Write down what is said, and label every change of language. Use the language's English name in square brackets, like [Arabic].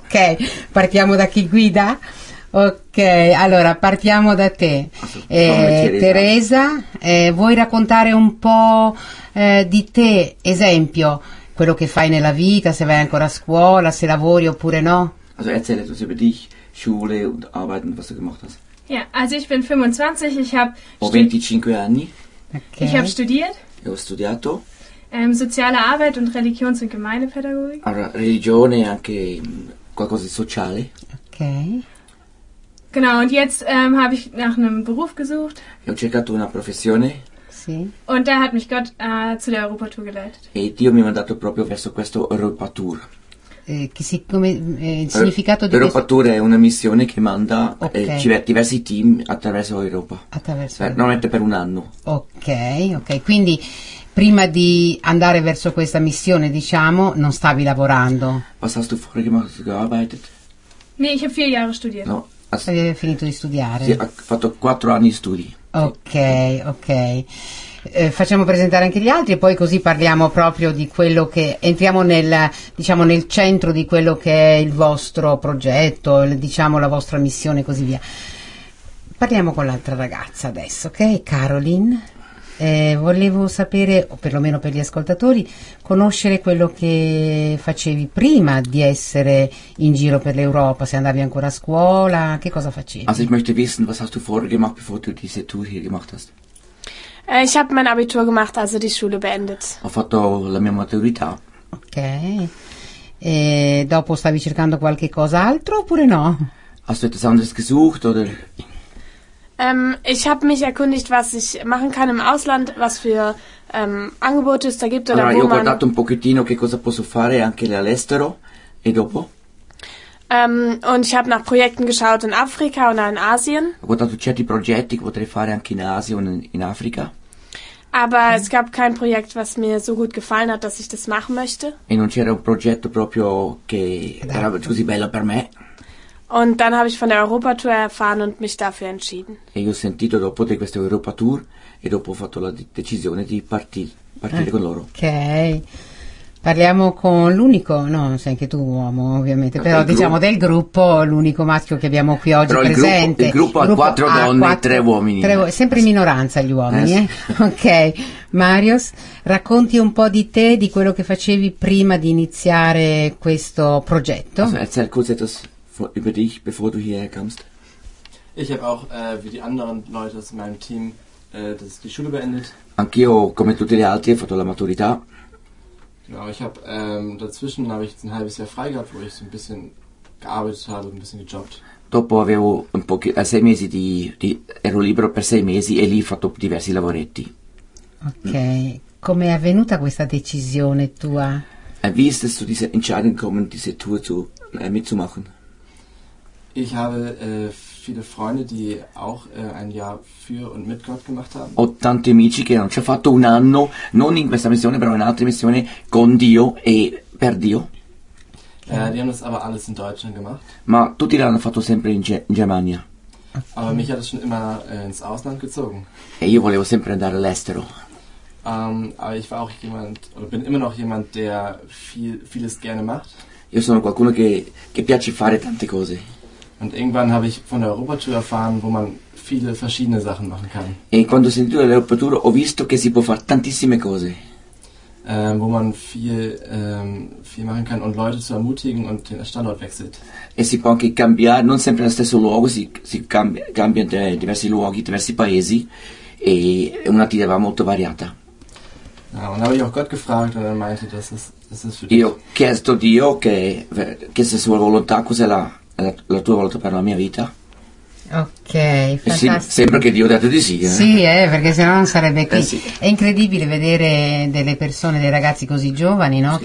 [Italian] Ok, partiamo da chi guida? Ok, allora partiamo da te. Teresa, vuoi raccontare un po' di te, esempio, quello che fai nella vita, se vai ancora a scuola, se lavori oppure no? [German] Also erzähl etwas über dich, Schule und Arbeiten, was du gemacht hast. Ja, also ich bin 25, ich habe [Italian] ho 25 anni. [German] Okay. Ich habe studiert. [Italian] E ho studiato. [German] Soziale Arbeit und Religions- und Gemeindepädagogik. [Italian] Allora, religione anche qualcosa di sociale. Ok. [German] Genau, und jetzt habe ich nach einem Beruf gesucht. [Italian] Ho cercato una professione. Sì. [German] Und da hat mich Gott zu der Europa-Tour geleitet. [Italian] E Dio mi ha mandato proprio verso questo Europa-Tour. Il significato di Europa-Tour è una missione che manda diversi team attraverso Europa. Attraverso Europa. Normalmente per un anno. Ok, ok. Quindi prima di andare verso questa missione, diciamo, non stavi lavorando. [German] Was hast du vorher gemacht, hast du gearbeitet? Nee, ich habe 4 Jahre studiert. [Italian] No. Hai finito di studiare? Sì, ho fatto 4 anni di studi. Ok, ok. Facciamo presentare anche gli altri e poi così parliamo proprio di quello che... Entriamo nel, diciamo, nel centro di quello che è il vostro progetto, diciamo la vostra missione e così via. Parliamo con l'altra ragazza adesso, ok? Caroline. Volevo sapere, o perlomeno per gli ascoltatori, conoscere quello che facevi prima di essere in giro per l'Europa, se andavi ancora a scuola, che cosa facevi? [German] Also ich möchte wissen, was hast du vorher gemacht, bevor du diese Tour hier gemacht hast? Ich habe mein Abitur gemacht, also die Schule beendet. [Italian] Ho fatto la mia maturità. Ok. Dopo stavi cercando qualche cosa altro oppure no? [German] Hast du etwas anderes gesucht oder... Ich habe mich erkundigt, was ich machen kann im Ausland, was für Angebote es da gibt oder [Italian] allora, Allora, io ho guardato un pochettino che cosa posso fare anche all'estero e dopo. [German] Und ich habe nach Projekten geschaut in Afrika und in Asien. [Italian] Ho guardato certi progetti che potrei fare anche in Asia und in Africa. [German] Aber es gab kein Projekt, was mir so gut gefallen hat, dass ich das machen möchte. [Italian] E non c'era un progetto proprio che era così bello per me. [German] Und dann habe ich von der Europa Tour erfahren und mich dafür entschieden. [Italian] E io ho sentito dopo di questa Europa Tour e dopo ho fatto la decisione di partire con loro. Ok. Parliamo con l'unico, no, sei anche tu uomo, ovviamente, però diciamo del gruppo, l'unico maschio che abbiamo qui oggi presente. Il gruppo ha 4 donne e 3 uomini. Sempre in minoranza gli uomini, eh? Ok. Marius, racconti un po' di te, di quello che facevi prima di iniziare questo progetto. [German] Über dich, bevor du hierher kommst? Ich habe auch, wie die anderen Leute aus meinem Team, das ist die Schule beendet. [Italian] Anch'io, come tutti gli altri, ho fatto la maturità. [German] Genau, ich habe, dazwischen habe ich ein halbes Jahr frei gehabt, wo ich so ein bisschen gearbeitet habe, ein bisschen gejobbt. [Italian] Dopo avevo un po' 6 mesi di ero libero per 6 mesi e lì ho fatto diversi lavoretti. Ok, come è avvenuta questa decisione tua? [German] Wie ist es zu dieser Entscheidung gekommen, diese Tour zu, mitzumachen? Ich habe viele Freunde, die auch ein Jahr für und mit Gott gemacht haben. [Italian] Ho tanti amici che hanno già fatto un anno, non in questa missione, però in altre missioni, con Dio e per Dio. [German] Okay. Die haben das aber alles in Deutschland gemacht. [Italian] Ma tutti l'hanno fatto sempre in Germania. Okay. [German] Aber mich hat es schon immer ins Ausland gezogen. [Italian] E io volevo sempre andare all'estero. [German] Aber ich war auch jemand, oder bin immer noch jemand, der vieles gerne macht. [Italian] Io sono qualcuno che piace fare tante cose. [German] Und irgendwann habe ich von der Europatour erfahren, wo man viele verschiedene Sachen machen kann. [Italian] E quando ho sentito l'Europatour ho visto che si può fare tantissime cose. [German] Wo man viel machen kann und Leute zu ermutigen und den Standort wechselt. [Italian] E si può anche cambiare, non sempre nello stesso luogo, si cambia diversi luoghi, diversi paesi, e è un'attività molto variata. [German] Ja, und habe ich auch Gott gefragt und er meinte, das ist für dich. [Italian] Io ho chiesto a Dio che se sua volontà, cos'è la tua volontà per la mia vita. Ok, fantastico. Sembra che Dio ha dato di sì. Sì, perché sennò non sarebbe qui. Sì. È incredibile vedere delle persone, dei ragazzi così giovani, no? Sì.